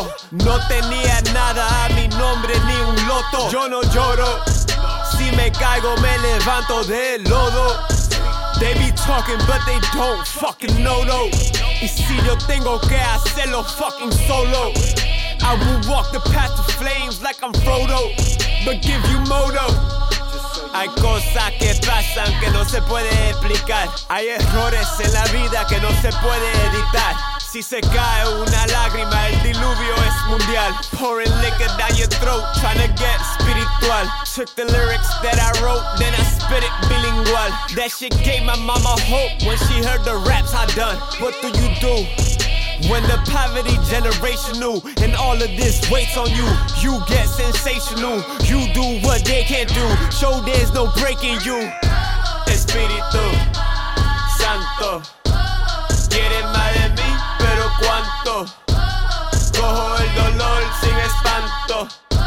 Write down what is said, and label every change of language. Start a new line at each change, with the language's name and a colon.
Spanish: No tenía nada a mi nombre ni un loto. Yo no lloro, si me caigo me levanto del lodo.
English: They be talking but they don't fucking know though.
Spanish: Y si yo tengo que hacerlo fucking solo,
English: I will walk the path to flames like I'm Frodo. But give you moto.
Spanish: Hay cosas que pasan que no se puede explicar. Hay errores en la vida que no se puede editar. Si se cae una lágrima, el diluvio es mundial.
English: Pouring liquor down your throat, trying to get spiritual. Took the lyrics that I wrote, then I spit it bilingual. That shit gave my mama hope when she heard the raps I done. What do you do when the poverty generational and all of this waits on you? You get sensational, you do what they can't do. Show there's no breaking you.
Spanish: Espiritu Santo, quieren más de mí, pero cuánto. Cojo el dolor sin espanto.